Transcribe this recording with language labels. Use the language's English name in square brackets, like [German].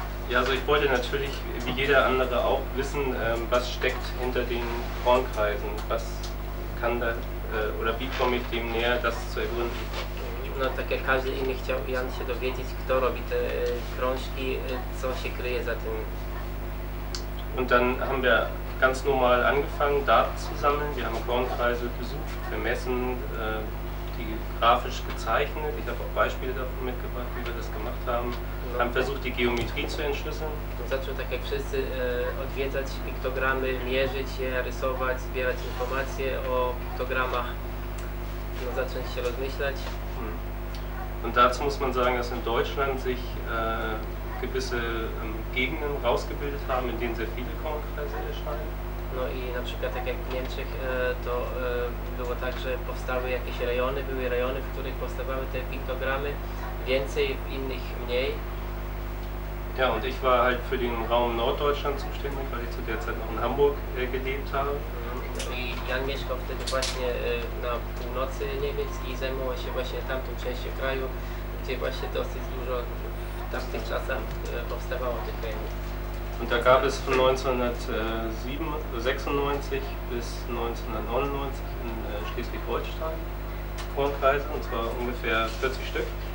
[German] Ja, also ich wollte natürlich, wie jeder andere auch, wissen, was steckt hinter den Kornkreisen, was kann da, oder wie komme ich dem näher, das zu ergründen. [Polish] No, tak jak każdy inny chciał Jan się dowiedzieć, kto robi te krążki, co się kryje za tym. [German] Und dann haben wir ganz normal angefangen, Daten zu sammeln. Wir haben Kornkreise besucht, vermessen, die grafisch gezeichnet. Ich habe auch Beispiele davon mitgebracht, wie wir das gemacht haben. Haben versucht, die Geometrie zu entschlüsseln. [Polish] Zaczął tak jak wszyscy odwiedzać piktogramy, mierzyć je, rysować, zbierać informacje o piktogramach. No, zacząć się rozmyślać. [German] Und dazu muss man sagen, dass in Deutschland sich gewisse Gegenden rausgebildet haben, in denen sehr viele Kornkreise erscheinen. [Polish] No i na przykład tak jak w Niemczech, to było tak, że powstały jakieś rejony, były rejony, w których powstawały te piktogramy, więcej, w innych mniej. [German] Ja, und ich war halt für den Raum Norddeutschland zuständig, weil ich zu der Zeit noch in Hamburg gelebt habe. [Polish] No i Jan mieszkał wtedy właśnie na północy Niemiec i zajmował się właśnie tamtą częścią kraju, gdzie właśnie dosyć dużo w tamtych czasach powstawało tych rejonów. [German] Und da gab es von 1996 bis 1999 in Schleswig-Holstein Kornkreise, und zwar ungefähr 40 Stück.